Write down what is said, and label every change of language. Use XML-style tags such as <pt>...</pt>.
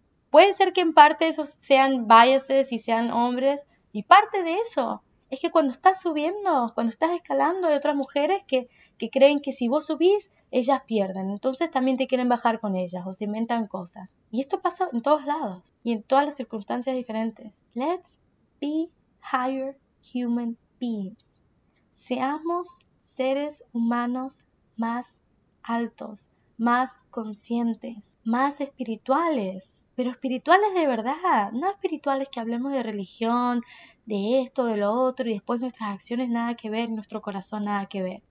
<es>Puede ser que en parte esos sean biases y sean hombres, y parte de eso es que cuando estás subiendo, cuando estás escalando, hay otras mujeres que creen que si vos subís, ellas pierden. Entonces también te quieren bajar con ellas o se inventan cosas. Y esto pasa en todos lados y en todas las circunstancias diferentes.</es> <en>Let's be higher human beings.</en> <es>Seamos seres humanos más altos, más conscientes, más espirituales. Pero espirituales de verdad, no espirituales que hablemos de religión, de esto, de lo otro, y después nuestras acciones nada que ver, nuestro corazón nada que ver.</es>